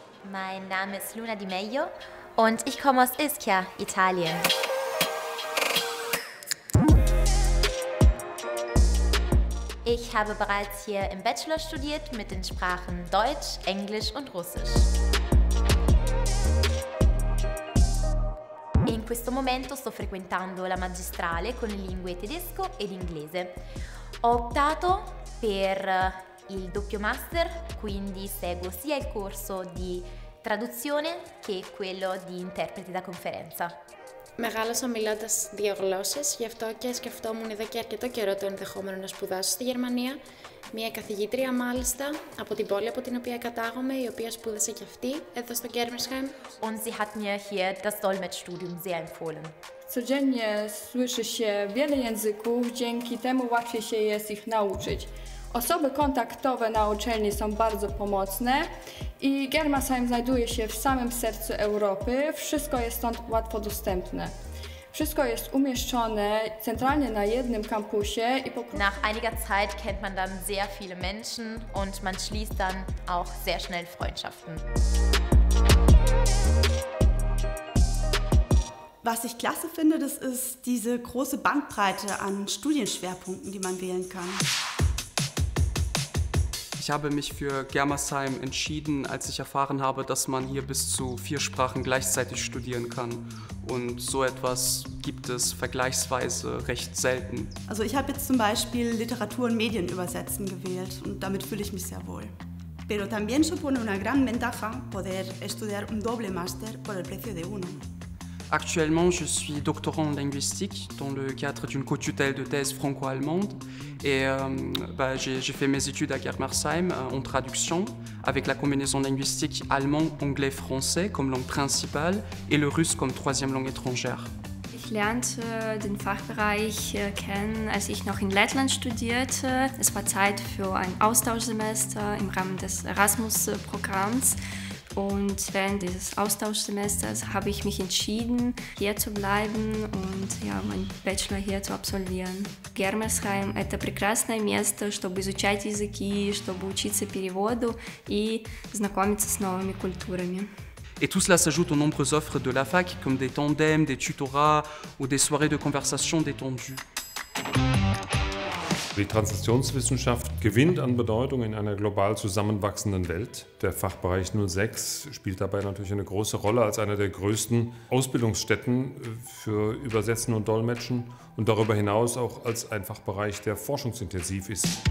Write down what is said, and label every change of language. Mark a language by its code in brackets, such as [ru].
[de] Name ist Luna Di Meglio und ich komme aus Ischia, Italien. Ich habe bereits hier im Bachelor studiert mit den Sprachen Deutsch, Englisch und Russisch. [it] In questo momento sto frequentando la magistrale con le lingue tedesco ed inglese. Ho optato per il doppio master, quindi seguo sia il corso di traduzione che quello di interprete da conferenza. [el] Μεγάλωσα μιλώντας δύο γλώσσες, γι' αυτό και σκεφτόμουν εδώ και αρκετό καιρό το ενδεχόμενο να σπουδάσω στη Γερμανία. Μία καθηγήτρια μάλιστα από την πόλη από την οποία κατάγομαι, η οποία σπούδασε και αυτή εδώ στο Κέρμισχαμ. [de] Und sie hat mir hier das Dolmetschstudium sehr empfohlen. [pl] Codziennie słyszy się wiele języków, dzięki temu łatwiej się jest ich nauczyć. Osoby kontaktowe na uczelni są bardzo pomocne i Germersheim znajduje się w samym sercu Europy. Wszystko jest stąd łatwo dostępne. Wszystko jest umieszczone centralnie na jednym kampusie i po prostu... [de] Nach einiger Zeit kennt man dann sehr viele Menschen und man schließt dann auch sehr schnell Freundschaften. Was ich klasse finde, das ist diese große Bandbreite an Studienschwerpunkten, die man wählen kann. Ich habe mich für Germersheim entschieden, als ich erfahren habe, dass man hier bis zu 4 Sprachen gleichzeitig studieren kann. Und so etwas gibt es vergleichsweise recht selten. Also ich habe jetzt zum Beispiel Literatur und Medien übersetzen gewählt und damit fühle ich mich sehr wohl. [es] Pero también supone una gran ventaja poder estudiar un doble máster por el precio de uno. [fr] Actuellement, je suis doctorant en linguistique dans le cadre d'une co-tutelle de thèse franco-allemande et j'ai fait mes études à Germersheim en traduction avec la combinaison linguistique allemand-anglais-français comme langue principale et le russe comme troisième langue étrangère. [de] Ich lernte den Fachbereich kennen, als ich noch in Lettland studierte. Es war Zeit für ein Austauschsemester im Rahmen des Erasmus-Programms. Und während dieses Austauschsemesters habe ich mich entschieden, hier zu bleiben und ja, meinen Bachelor hier zu absolvieren. [ru] Germersheim – это прекрасное место, чтобы изучать языки, чтобы учиться переводу и знакомиться с новыми культурами. [fr] Et tout cela s'ajoute aux nombreuses offres de la fac, comme des tandems, des tutorats ou des soirées de conversation détendues. [de] Die Translationswissenschaft gewinnt an Bedeutung in einer global zusammenwachsenden Welt. Der Fachbereich 06 spielt dabei natürlich eine große Rolle als einer der größten Ausbildungsstätten für Übersetzen und Dolmetschen und darüber hinaus auch als ein Fachbereich, der forschungsintensiv ist.